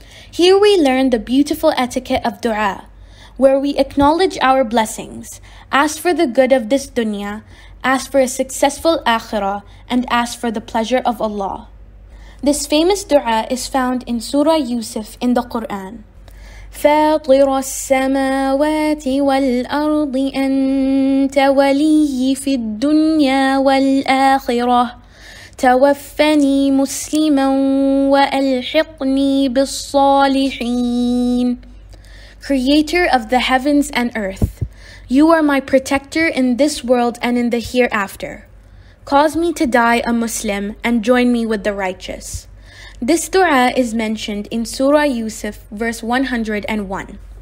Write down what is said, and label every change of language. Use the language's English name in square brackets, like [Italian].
[English] Here we learn the beautiful etiquette of dua, where we acknowledge our blessings, ask for the good of this dunya, ask for a successful akhirah, and ask for the pleasure of Allah. This famous dua is found in Surah Yusuf in the Qur'an. [Arabic] فاطر السماوات والأرض أنت ولي في الدنيا والآخرة توفني مسلما وألحقني بالصالحين. [English] Creator of the heavens and earth, you are my protector in this world and in the hereafter. Cause me to die a Muslim and join me with the righteous. This dua is mentioned in Surah Yusuf, verse 101.